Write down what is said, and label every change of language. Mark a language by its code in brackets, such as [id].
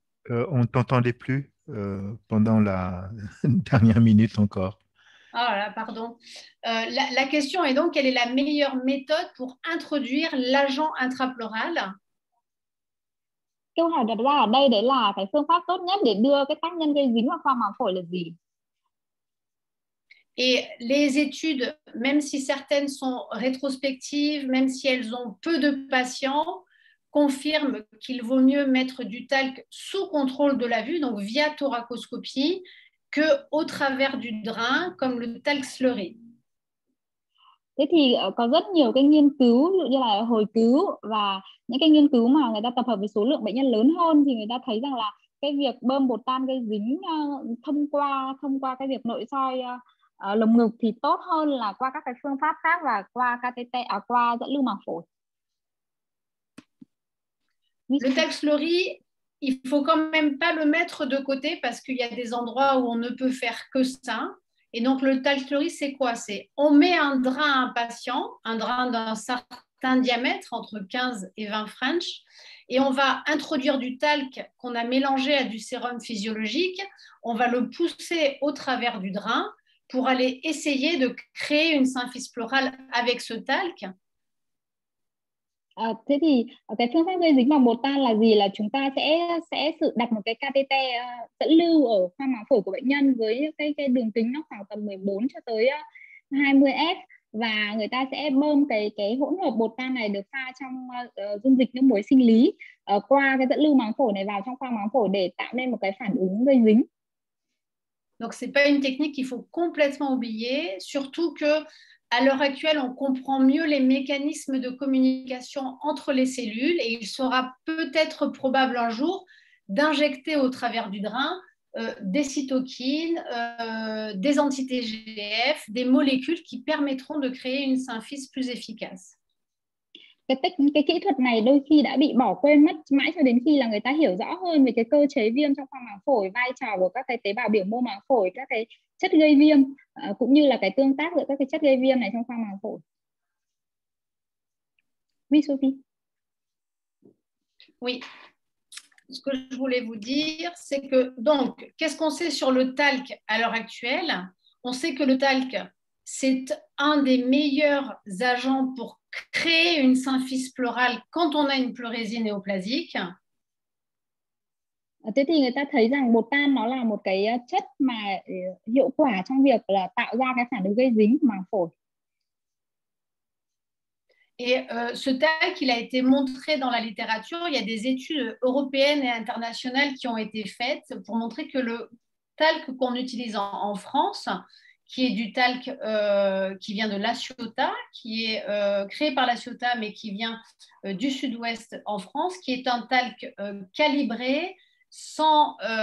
[fr] on ne t'entendait plus pendant la dernière minute encore. Ah, oh pardon. La question est donc, quelle est la meilleure méthode pour introduire l'agent intrapleural? [vi] Câu hỏi đặt ra ở đây đấy là cái phương pháp tốt nhất để đưa cái tác nhân gây dính vào khoang màng phổi là gì? [fr] Et les études, même si certaines sont rétrospectives, même si elles ont peu de patients, confirme qu'il vaut mieux mettre du talc sous contrôle de la vue, donc via thoracoscopie, que au travers du drain, comme le talc sleuré. [vi] Thế thì có rất nhiều cái nghiên cứu, ví dụ như là hồi cứu và những cái nghiên cứu mà người ta tập hợp với số lượng bệnh nhân lớn hơn thì người ta thấy rằng là cái việc bơm bột tan gây dính thông qua cái việc nội soi lồng ngực thì tốt hơn là qua các cái phương pháp khác và qua catheter qua dẫn lưu màng phổi. [fr] Le talc sleuri, il faut quand même pas le mettre de côté parce qu'il y a des endroits où on ne peut faire que ça. Et donc le talc sleuri, c'est quoi? C'est on met un drain à un patient, un drain d'un certain diamètre entre 15 et 20 French, et on va introduire du talc qu'on a mélangé à du sérum physiologique. On va le pousser au travers du drain pour aller essayer de créer une symphyse pleurale avec ce talc. [vi] Thế thì cái phương pháp gây dính bằng bột tan là gì? Là chúng ta sẽ sự đặt một cái catheter dẫn lưu ở khoang màng phổi của bệnh nhân với cái đường kính nó khoảng tầm 14 cho tới 20 s, và người ta sẽ bơm cái hỗn hợp bột tan này được pha trong dung dịch nước muối sinh lý qua cái dẫn lưu màng phổi này vào trong khoang màng phổi để tạo nên một cái phản ứng gây dính. [fr] Donc, ce n'est pas une technique qu'il faut complètement oublier, surtout que à l'heure actuelle, on comprend mieux les mécanismes de communication entre les cellules et il sera peut-être probable un jour d'injecter au travers du drain des cytokines, des entités IGF, des molécules qui permettront de créer une symphyse plus efficace. [vi] Cái kỹ thuật này đôi khi đã bị bỏ quên mất mãi cho đến khi là người ta hiểu rõ hơn về cái cơ chế viêm trong khoang màng phổi, vai trò của các cái tế bào biểu mô màng phổi, các cái chất gây viêm cũng như là cái tương tác giữa các cái chất gây viêm này trong khoang màng phổi. [fr] Oui, Sophie. Oui, ce que je voulais vous dire, c'est que donc, qu'est-ce qu'on sait sur le talc à l'heure actuelle? On sait que le talc, c'est un des meilleurs agents pour créer une symphyse pleurale quand on a une pleurésie néoplasique. [vi] Thế thì người ta thấy rằng bột tan nó là một cái chất mà hiệu quả trong việc là tạo ra cái phản ứng gây dính màng phổi. [fr] Et ce talc, il a été montré dans la littérature. Il y a des études européennes et internationales qui ont été faites pour montrer que le talc qu'on utilise en France, qui est du talc qui vient de La Ciotat, qui est créé par La Ciotat, mais qui vient du sud-ouest en France, qui est un talc calibré sans